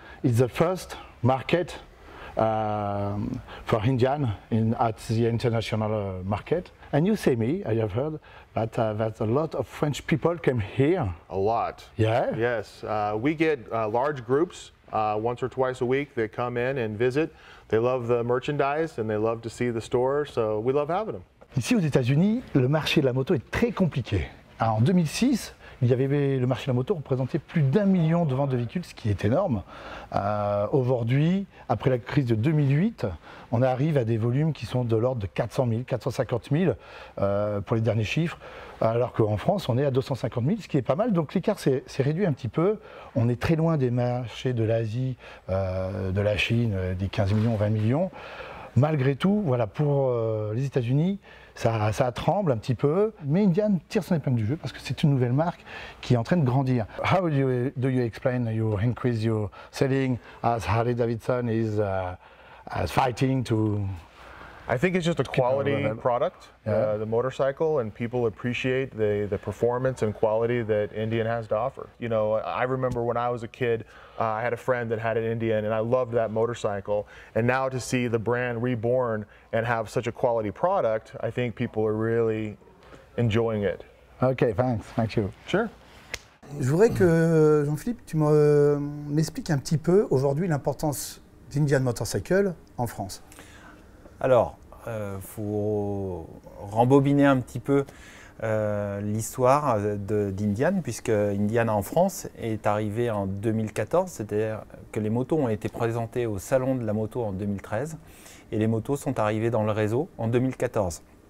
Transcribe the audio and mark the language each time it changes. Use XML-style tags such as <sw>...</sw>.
<en>It's the first market for Indian at the international market. And you say me, I have heard that a lot of French people came here. A lot. Yeah. Yes. We get large groups. Once or twice a week, they come in and visit. They love the merchandise and they love to see the store, so we love having them.</en> <fr>Ici, aux États-Unis, le marché de la moto est très compliqué. En 2006, il y avait le marché de la moto représentait plus d'un million de ventes de véhicules, ce qui est énorme. Aujourd'hui, après la crise de 2008, on arrive à des volumes qui sont de l'ordre de 400 000, 450 000 pour les derniers chiffres, alors qu'en France, on est à 250 000, ce qui est pas mal. Donc l'écart s'est réduit un petit peu. On est très loin des marchés de l'Asie, de la Chine, des 15 millions, 20 millions. Malgré tout, voilà, pour les États-Unis, ça tremble un petit peu, mais Indian tire son épingle du jeu parce que c'est une nouvelle marque qui est en train de grandir.</fr> <en>How do you explain your increase your selling as Harley Davidson is fighting to? I think it's just a quality product, yeah. The motorcycle, and people appreciate the performance and quality that Indian has to offer. You know, I remember when I was a kid, I had a friend that had an Indian, and I loved that motorcycle. And now to see the brand reborn and have such a quality product, I think people are really enjoying it. Okay, thanks. Thank you. Sure.</en> <fr>Je voudrais que, Jean-Philippe, tu m'expliques un petit peu aujourd'hui l'importance d'Indian Motorcycle en France. Alors, il faut rembobiner un petit peu l'histoire d'Indian, puisque Indian en France est arrivé en 2014, c'est-à-dire que les motos ont été présentées au salon de la moto en 2013, et les motos sont arrivées dans le réseau en 2014.</fr>